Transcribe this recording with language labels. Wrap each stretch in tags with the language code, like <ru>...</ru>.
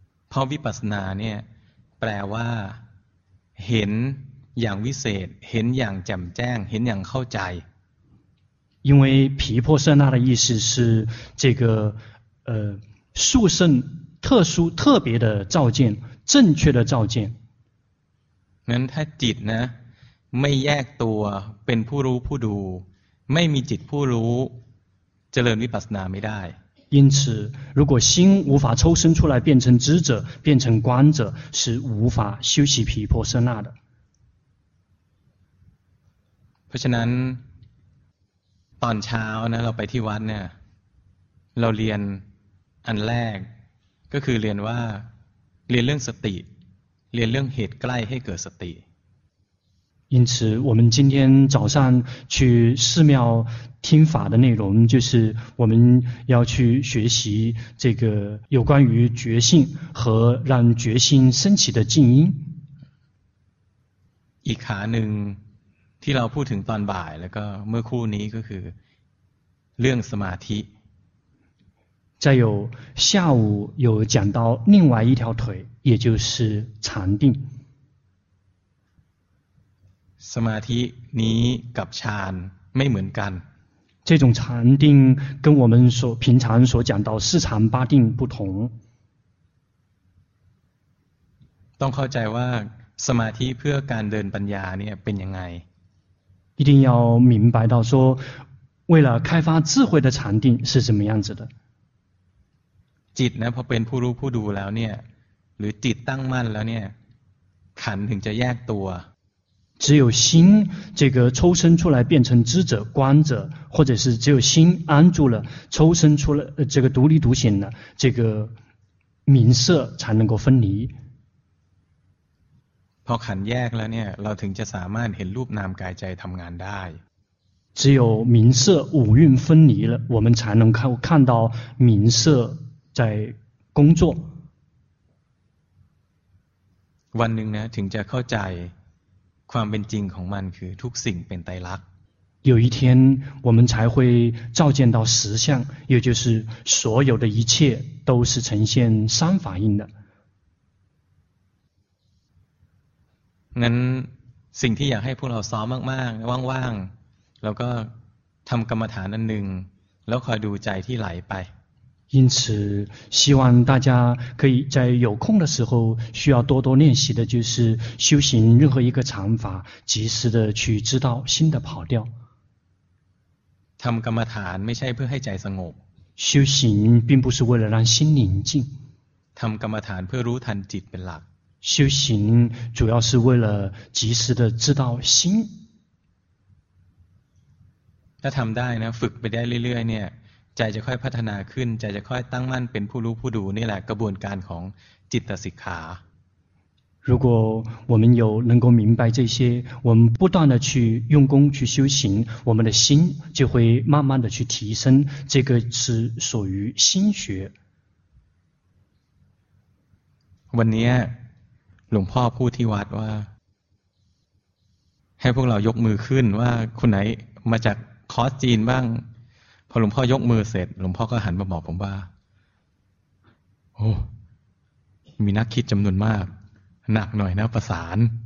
<th>พอวิปัสสนาเนี่ยแปลว่าเห็นอย่างวิเศษเห็นอย่างแจ่มแจ้งเห็นอย่างเข้าใจ。</th> <zh>因为毗婆舍那的意思是这个殊胜特殊特别的照见正确的照见。</zh> <th>งั้นถ้าจิตนะไม่แยกตัวเป็นผู้รู้ผู้ดูไม่มีจิตผู้รู้เจริญวิปัสสนาไม่ได้</th> <zh>因此如果心无法抽身出来变成知者变成观者是无法修习毗婆舍那的</zh> <th>เพราะฉะนั้นตอนเช้านะเราไปที่วัดเนี่ยเราเรียนอันแรกก็คือเรียนว่าเรียนเรื่องสติเรียนเรื่องเหตุใกล้ให้เกิดสติ</th> <zh>因此我们今天早上去寺庙听法的内容就是我们要去学习这个有关于觉性和让觉性升起的静音</zh> <th>อีกขาหนึ่งที่เราพูดถึงตอนบ่ายแล้วก็เมื่อครู่นี้ก็คือเรื่องสมาธิ</th> <zh>再有下午有讲到另外一条腿，也就是禅定。</zh> <th>สมาธินี้กับฌานไม่เหมือนกัน。</th> <zh>这种禅定跟我们所平常所讲到四禅八定不同。</zh> <th>ต้องเข้าใจว่าสมาธิเพื่อการเดินปัญญาเนี่ยเป็นยังไง</th> <zh>一定要明白到说为了开发智慧的禅定是什么样子的</zh> <th>จิตนะพอเป็นผู้รู้ผู้ดูแล้วเนี่ยหรือจิตตั้งมั่นแล้วเนี่ยขันถึงจะแยกตัว</th> <zh>只有心这个抽身出来变成知者观者或者是只有心安住了抽身出了这个独立独显的这个名色才能够分离</zh> <th>พอขันแยกแล้วเนี่ยเราถึงจะสามารถเห็นรูปนามกายใจทำงานได้</th> <zh>只有名色五蕴分离了我们才能看到名色在工作</zh> <th>วันหนึ่งนะถึงจะเข้าใจความเป็นจริงของมันคือทุกสิ่งเป็นไตรลักษณ์</th> <zh>有一天我们才会照见到实相也就是所有的一切都是呈现三法印的</zh> <th>งั้นสิ่งที่อยากให้พวกเราซ้อมมากๆว่างๆแล้วก็ทำกรรมฐานอันหนึ่งแล้วคอยดูใจที่ไหลไป</th> <zh>因此希望大家可以在有空的时候需要多多练习的就是修行任何一个禅法及时的去知道心的跑调</zh> <th>ทำกรรมฐานไม่ใช่เพื่อให้ใจสงบ</th> <zh>修行并不是为了让心宁静</zh> <th>ทำกรรมฐานเพื่อรู้ทันจิตเป็นหลัก</th> <zh>修行主要是为了及时的知道心</zh> <th>ถ้าทำได้นะฝึกไปได้เรื่อยๆเนี่ยใจจะค่อยพัฒนาขึ้นใจจะค่อยตั้งมั่นเป็นผู้รู้ผู้ดูนี่แหละกระบวนการของจิตสิกขา</th> <zh>如果我们有能够明白这些我们不断的去用功去修行我们的心就会慢慢的去提升这个是属于心学</zh> <th>วันนี้หลวงพ่อพูดที่วัดว่าให้พวกเรายกมือขึ้นว่าคนไหนมาจากคอร์สจีนบ้างพอหลวงพ่อยกมือเสร็จหลวงพ่อก็หันมาบอกผมว่าโอ้มีนักคิดจำนวนมากหนักหน่อยนะประสาน</th>